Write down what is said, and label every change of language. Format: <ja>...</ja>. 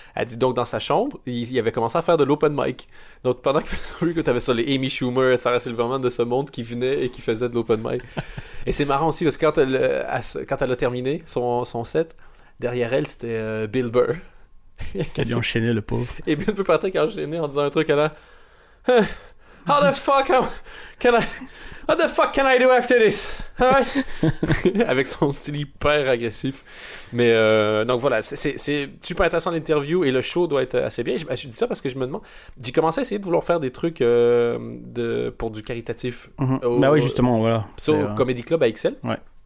<fr>Elle dit donc dans sa chambre, il avait commencé à faire de l'open mic. Donc pendant que t'avais ça, les Amy Schumer, Sarah Silverman de ce monde qui venaient et qui faisaient de l'open mic. Et c'est marrant aussi parce que quand elle a terminé son set, derrière elle, c'était Bill Burr. Qui a dû enchaîner, le pauvre. Et Bill Burr partait qui a enchaîné en disant un truc à la.</fr> <en>What the fuck can I do after this?</en> <fr>Avec son style hyper agressif. Mais donc voilà, c'est super intéressant l'interview, et le show doit être assez bien. Je dis ça parce que je me demande. J'ai commencé à essayer de vouloir faire des trucs pour du caritatif. Mm-hmm. Ben oui, justement, voilà. Sur Comedy Club à Excel. Ouais.</fr>